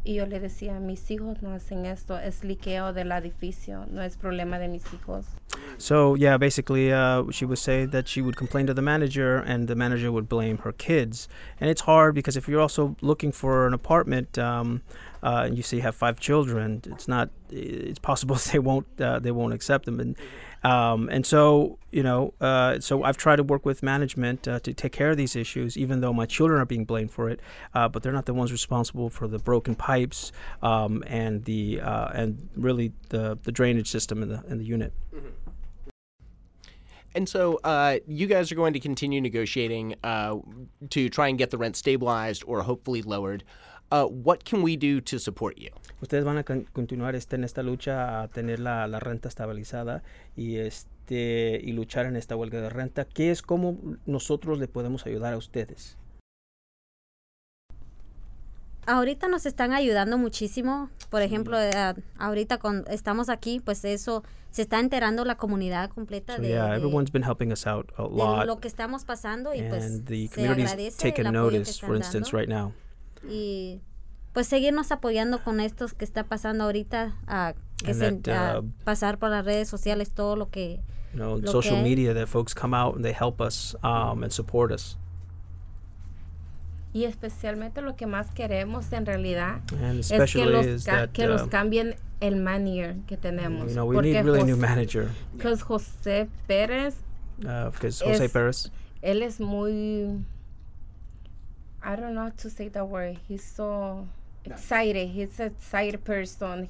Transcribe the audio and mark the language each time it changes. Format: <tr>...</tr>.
<es>Y yo le decía, mis hijos no hacen esto, es liqueo del edificio, no es problema de mis hijos.</es> <en>So, yeah, basically, she would say that she would complain to the manager and the manager would blame her kids. And it's hard because if you're also looking for an apartment, and you say you have 5 children, it's possible they won't accept them. And so I've tried to work with management to take care of these issues, even though my children are being blamed for it. But they're not the ones responsible for the broken pipes and really the drainage system in the unit. Mm-hmm. And so you guys are going to continue negotiating to try and get the rent stabilized or hopefully lowered. What can we do to support you?</en> <es>Ustedes van a continuar en esta lucha a tener la renta estabilizada y luchar en esta huelga de renta. ¿Qué es cómo nosotros le podemos ayudar a ustedes? Ahorita nos están ayudando muchísimo. Por ejemplo, ahorita estamos aquí, pues eso se está enterando la comunidad completa.</es> <en>So, yeah, everyone's been helping us out a lot.</en> <es>De lo que estamos pasando y pues</es> <en>the community's taken notice, for instance, right now.</en> <es>Y pues seguirnos apoyando con esto que está pasando ahorita, pasar por las redes sociales todo lo que,</es> <en>you know, social media, that folks come out and they help us and support us.</en> <es>Y especialmente lo que más queremos en realidad es que los cambien el manager que tenemos.</es> <en>You know, we need really a new manager. Because</en> <es>José Pérez. Él es muy.</es> <en>I don't know how to say that word. He's so excited. He's an excited person.</en>